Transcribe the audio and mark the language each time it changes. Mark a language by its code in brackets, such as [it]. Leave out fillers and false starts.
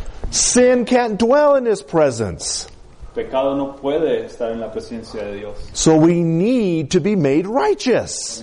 [en] Sin can't dwell in His presence. [es] pecado no puede estar en la presencia de Dios. [en] So we need to be made righteous.